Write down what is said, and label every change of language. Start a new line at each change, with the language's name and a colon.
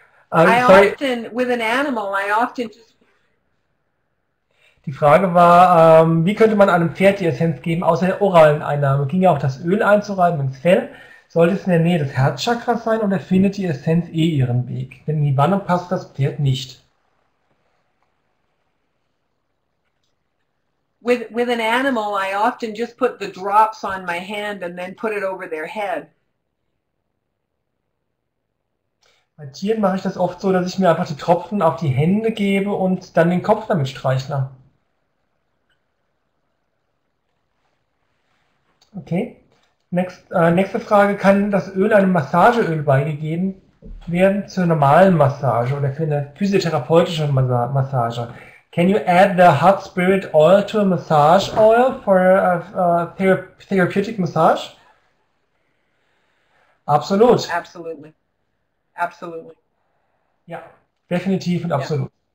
German: Die Frage war, wie könnte man einem Pferd die Essenz geben, außer der oralen Einnahme? Ging ja auch das Öl einzureiben ins Fell? Sollte es in der Nähe des Herzchakras sein oder findet die Essenz eh ihren Weg? Denn in die Wanne passt das Pferd nicht.
English: With an animal, I often just put the drops on my hand and then put it over their head.
German: Bei Tieren mache ich das oft so, dass ich mir einfach die Tropfen auf die Hände gebe und dann den Kopf damit streichle. Okay. Nächste Frage, kann das Öl einem Massageöl beigegeben werden zur normalen Massage oder für eine physiotherapeutische Massage?
English: Can you add the hot spirit oil to a massage oil for a therapeutic massage?
German: Absolut.
English: Absolutely. Absolutely.
German: Ja, definitiv und absolut.